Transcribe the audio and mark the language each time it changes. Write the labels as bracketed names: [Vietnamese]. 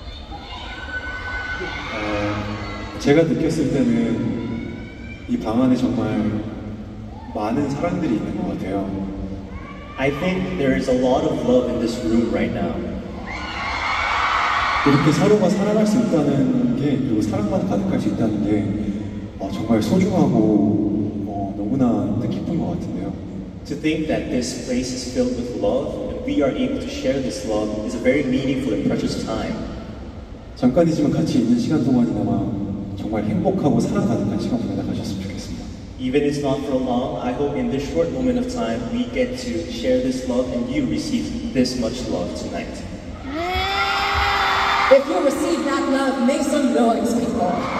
[English] I felt like in this room there are a lot of people in this room. I think there is a lot of love in this room right now. [Korean] 이렇게 서로가 사랑할 수 있다는 게, 그리고 사랑만 가득할 수 있다는 게 정말 소중하고 너무나 뜻깊은 것 같은데요. [English] To think that this place is filled with love and we are able to share this love is a very meaningful and precious time. [Korean] 잠깐이지만 같이 있는 시간 동안이나마 정말 행복하고 사랑 가득한 시간 보내가셨으면 좋겠습니다. [English] Even if it's not for long, I hope in this short moment of time we get to share this love and you receive this much love tonight. If you receive that love, make some noise, people.